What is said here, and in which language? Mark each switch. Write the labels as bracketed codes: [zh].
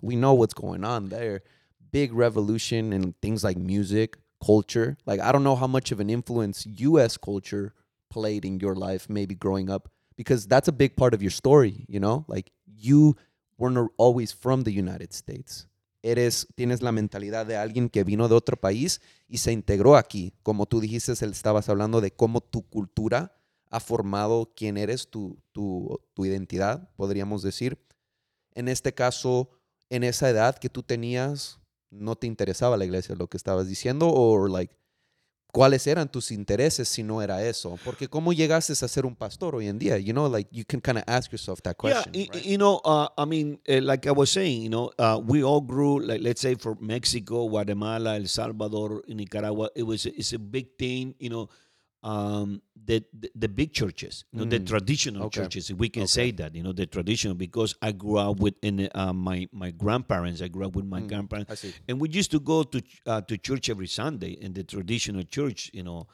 [en] We know what's going on there. Big revolution in things like music, culture. Like, I don't know how much of an influence U.S. culture played in your life, maybe growing up, because that's a big part of your story, you know? Like, you weren't always from the United States. [es] Eres, tienes la mentalidad de alguien que vino de otro país y se integró aquí. Como tú dijiste, estabas hablando de cómo tu cultura ha formado quién eres, tu identidad, podríamos decir. En este caso, en esa edad que tú tenías... ¿No te interesaba la iglesia lo que estabas diciendo? ¿O like, cuáles eran tus intereses si no era eso? Porque ¿cómo llegaste a ser un pastor hoy en día? [en] You know, like, you can kind of ask yourself that question. Yeah, right? You know, I mean, like I was saying, you know, we all grew, like, let's say for Mexico, Guatemala, El Salvador, Nicaragua, it's a big thing, you know, the big churches, you know, the traditional churches, if we can say that, you know, the traditional, because I grew up with my grandparents, I grew up with my grandparents, and we used to go to church every Sunday in the traditional church, you know.